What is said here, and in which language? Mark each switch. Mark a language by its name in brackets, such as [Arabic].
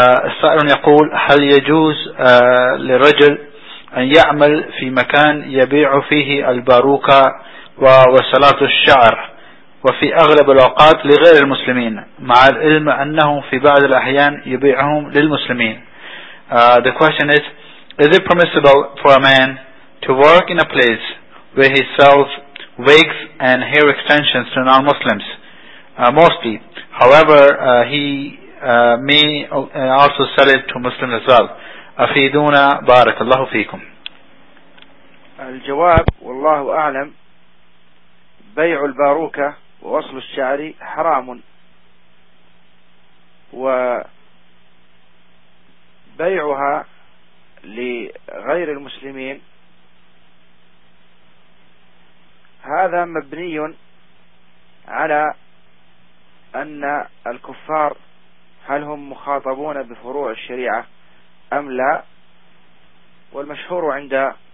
[Arabic] السائر يقول هل يجوز لرجل أن يعمل في مكان يبيع فيه الباروكة ووصلات الشعر وفي أغلب الأوقات لغير المسلمين مع العلم أنهم في بعض الأحيان يبيعهم للمسلمين. [English] The question is it permissible for a man to work in a place where he sells wigs and hair extensions to non-Muslims, mostly. However, he may also sell it to Muslims as well. [Arabic] أفيدونا بارك الله فيكم. الجواب والله أعلم بيع الباروكة ووصل الشعر حرام وبيعها لغير المسلمين هذا مبني على أن الكفار هل هم مخاطبون بفروع الشريعة أم لا، والمشهور عند